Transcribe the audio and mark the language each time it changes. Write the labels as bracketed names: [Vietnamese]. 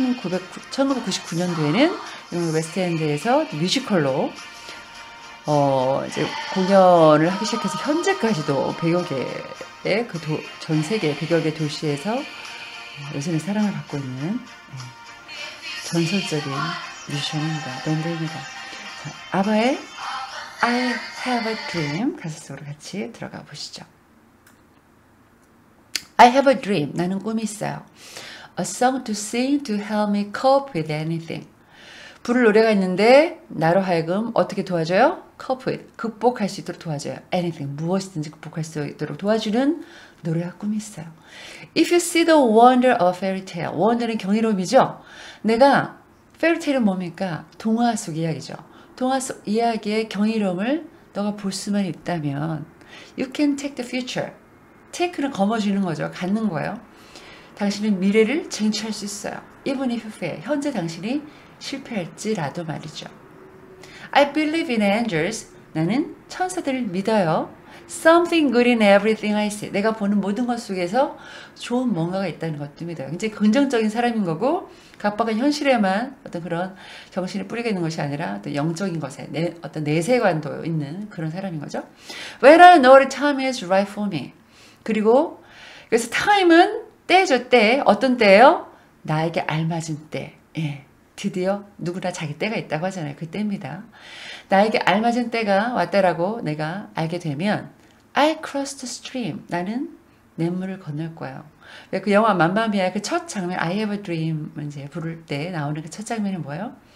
[Korean] 1999년도에는 영국 웨스트엔드에서 뮤지컬로 이제 공연을 하기 시작해서 현재까지도 배역의 그 전 세계 배역의 도시에서 요새는 사랑을 받고 있는 전설적인 뮤지션입니다. 밴드입니다. 자, 아바의 I Have a Dream 가사 속으로 같이 들어가 보시죠. [English] I have a dream. [Korean] 나는 꿈이 있어요. [English] A song to sing to help me cope with anything. [Korean] 부를 노래가 있는데 나로 하여금 어떻게 도와줘요? [English] Cope with. [Korean] 극복할 수 있도록 도와줘요. [English] Anything. [Korean] 무엇이든지 극복할 수 있도록 도와주는 노래와 꿈이 있어요. [English] If you see the wonder of fairy tale. [Korean] Wonder는 경이로움이죠. 내가 fairy tale은 뭡니까? 동화 속 이야기죠. 동화 속 이야기의 경이로움을 너가 볼 수만 있다면 [English] You can take the future. [Korean] Take는 거머쥐는 거죠. 갖는 거예요. 당신은 미래를 쟁취할 수 있어요. [English] Even if you fail. [Korean] 현재 당신이 실패할지라도 말이죠. [English] I believe in angels. [Korean] 나는 천사들을 믿어요. [English] Something good in everything I see. [Korean] 내가 보는 모든 것 속에서 좋은 뭔가가 있다는 것도 믿어요. 굉장히 긍정적인 사람인 거고 각박한 현실에만 어떤 그런 정신을 뿌리게 되는 것이 아니라 어떤 영적인 것에 어떤 내세관도 있는 그런 사람인 거죠. [English] When I know the time is right for me. [Korean] 그리고 그래서 time은 때죠. 때. 어떤 때예요? 나에게 알맞은 때. 예. 드디어 누구나 자기 때가 있다고 하잖아요. 그 때입니다. 나에게 알맞은 때가 왔다라고 내가 알게 되면 [English] I cross the stream. [Korean] 나는 냇물을 건널 거예요. 그 영화 맘마미아의 그 첫 장면 I have a dream 이제 부를 때 나오는 그 첫 장면이 뭐예요?